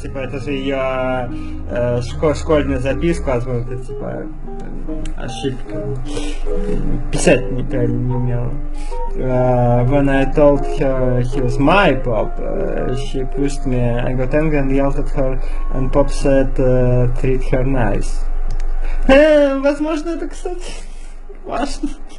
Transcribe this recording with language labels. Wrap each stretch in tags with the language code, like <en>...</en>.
<ru>Типа, это же ее школьная записка, возможно, это типа ошибка. Писать никогда не умела.</ru> <en>When I told her he was my pop, she pushed me. I got angry and yelled at her, and Pop said, treat her nice.</en> <ru>Возможно, это, кстати, важно.</ru>